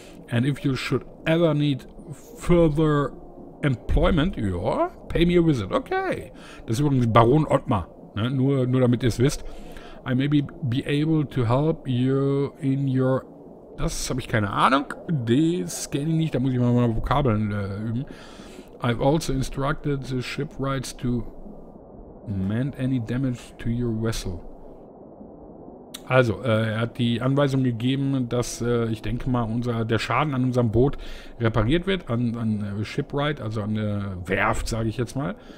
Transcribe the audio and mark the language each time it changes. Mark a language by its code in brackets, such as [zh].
[en] And if you should ever need further employment, yeah, pay me a visit. [de] Okay. Das ist übrigens Baron Ottmar. Ne? Nur damit ihr es wisst. [en] I may be able to help you in your... [de] Das habe ich keine Ahnung. Das kenne ich nicht. Da muss ich mal meine Vokabeln üben. [en] I've also instructed the shipwrights to mend any damage to your vessel. [de] Also, er hat die Anweisung gegeben, dass, ich denke mal, der Schaden an unserem Boot repariert wird, an Shipwright, also an der Werft, sage ich jetzt mal.